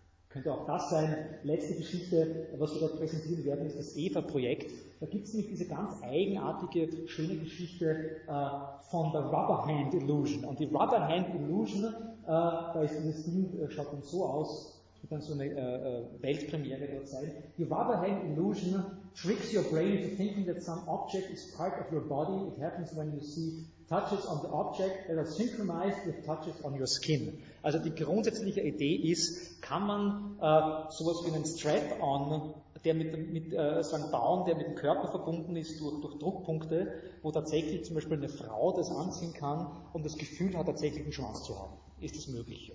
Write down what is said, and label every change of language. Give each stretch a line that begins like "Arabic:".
German: Könnte auch das sein. Letzte Geschichte, was wir dort präsentieren werden, ist das Eva-Projekt. Da gibt es nämlich diese ganz eigenartige, schöne Geschichte von der Rubber Hand Illusion. Und die Rubber Hand Illusion, da ist dieses Ding, schaut dann so aus, wird dann so eine Weltpremiere dort sein.
English: Die Rubber Hand Illusion tricks your brain into thinking that some object is part of your body. It happens when you see touches on the object that are synchronized with touches on your skin.
German: Also die grundsätzliche Idee ist, kann man sowas wie einen Strap-on, der mit bauen, der mit dem Körper verbunden ist durch Druckpunkte, wo tatsächlich zum Beispiel eine Frau das anziehen kann und das Gefühl hat, tatsächlich einen Schwanz zu haben. Ist das möglich?